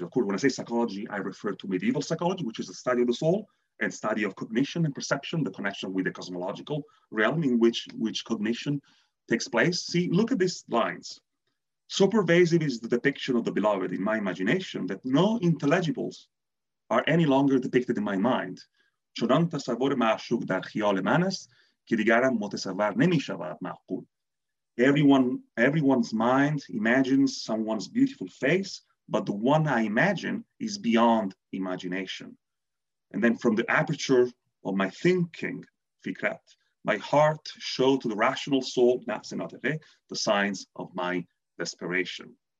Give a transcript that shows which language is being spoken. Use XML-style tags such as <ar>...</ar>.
<en>Of course, when I say psychology, I refer to medieval psychology, which is the study of the soul and study of cognition and perception, the connection with the cosmological realm in which cognition takes place. See, look at these lines. So pervasive is the depiction of the beloved in my imagination that no intelligibles are any longer depicted in my mind.</en> <fa>چنان تصور معشوق در خیال من است که دیگرم متصور نمی شود معقول.</fa> <en>Everyone's mind imagines someone's beautiful face, but the one I imagine is beyond imagination. And then from the aperture of my thinking, فکرت, my heart showed to the rational soul, نفس ناطقه, the signs of my desperation.</en>